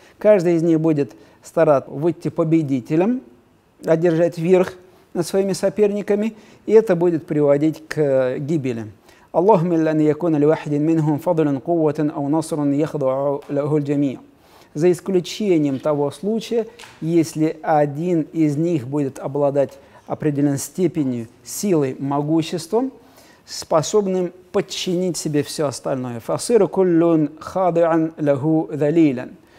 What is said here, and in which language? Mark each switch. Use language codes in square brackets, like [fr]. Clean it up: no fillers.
[ru] Каждый из них будет стараться выйти победителем, одержать верх над своими соперниками, и это будет приводить к гибели. [ar] اللهم إلا أن يكون لواحد منهم فضل قوة أو نصر يخضع له الجميع. [ru] За исключением того случая, если один из них будет обладать определенной степенью силы, могуществом, способным подчинить себе все остальное. [ar] Фасиру куллун хадиан лаху залилан.